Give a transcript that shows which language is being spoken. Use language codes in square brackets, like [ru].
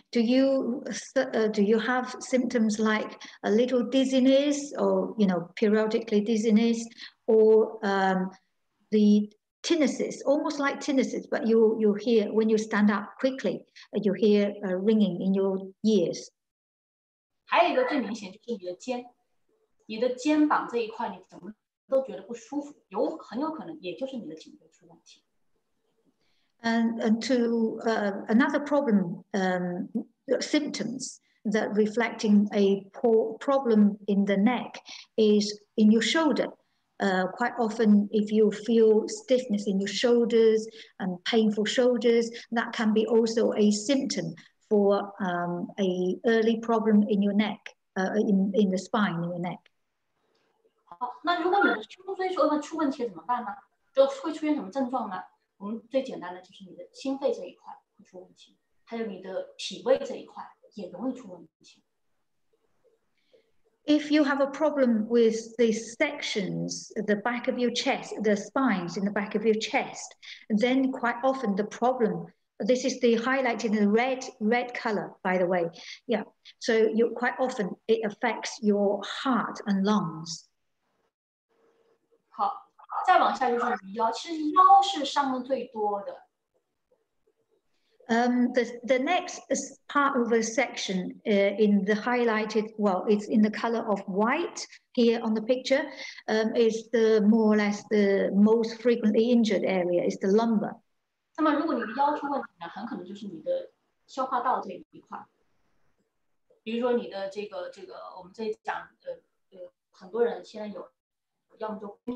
[en] Do you have symptoms like a little dizziness, or you know, periodically dizziness, or the tinnitus, almost like tinnitus, but you hear when you stand up quickly, you hear a ringing in your ears. [zh] 还有一个最明显就是你的肩。你的肩膀这一块你怎么都觉得不舒服，有很有可能也就是你的颈椎出问题。 [en] And to another problem, symptoms that reflecting a problem in the neck is in your shoulder. Quite often, if you feel stiffness in your shoulders and painful shoulders, that can be also a symptom for a early problem in your neck, in the spine, in your neck. [zh] 好，那如果你的胸椎出问题怎么办呢？就会出现什么症状呢？我们最简单的就是你的心肺这一块会出问题，还有你的脾胃这一块也容易出问题。 [en] If you have a problem with the sections, the back of your chest, the spines in the back of your chest, then quite often the problem, this is the highlight in the red color, by the way. Yeah, so you quite often it affects your heart and lungs. [zh] 好。再往下就是腰，其实腰是伤的最多的。 [en] The next part of the section in the highlighted, well, it's in the color of white here on the picture, is the more or less the most frequently injured area, is the lumbar. [zh] 那么如果你的腰出问题呢，很可能就是你的消化道这一块。比如说你的这个，我们这一讲，很多人现在有，要么就。